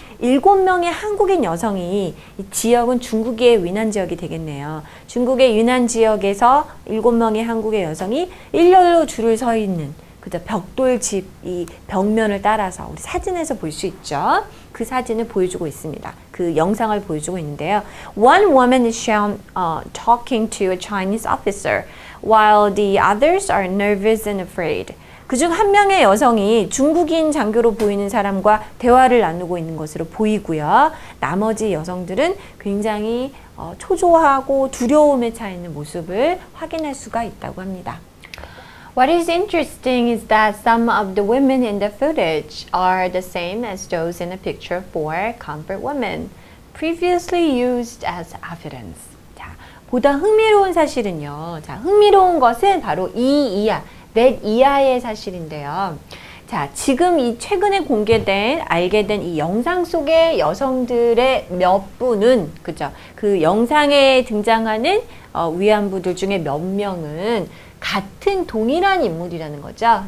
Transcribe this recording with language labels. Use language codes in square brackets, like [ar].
[ko] 일곱 명의 한국인 여성이 이 지역은 중국의 위난 지역이 되겠네요. 중국의 위난 지역에서 일곱 명의 한국의 여성이 일렬로 줄을 서 있는 그저 벽돌 집 이 벽면을 따라서 우리 사진에서 볼 수 있죠. 그 사진을 보여주고 있습니다. 그 영상을 보여주고 있는데요. [en] One woman is shown talking to a Chinese officer while the others are nervous and afraid. [ko] 그중 한 명의 여성이 중국인 장교로 보이는 사람과 대화를 나누고 있는 것으로 보이고요. 나머지 여성들은 굉장히 초조하고 두려움에 차 있는 모습을 확인할 수가 있다고 합니다. [en] What is interesting is that some of the women in the footage are the same as those in the picture for comfort women previously used as evidence. [ko] 자, 보다 흥미로운 사실은요. 자, 흥미로운 것은 바로 이 이야. That 이하의 사실인데요. 자, 지금 이 최근에 공개된, 알게 된 이 영상 속의 여성들의 몇 분은, 그죠? 그 영상에 등장하는 위안부들 중에 몇 명은 같은 동일한 인물이라는 거죠.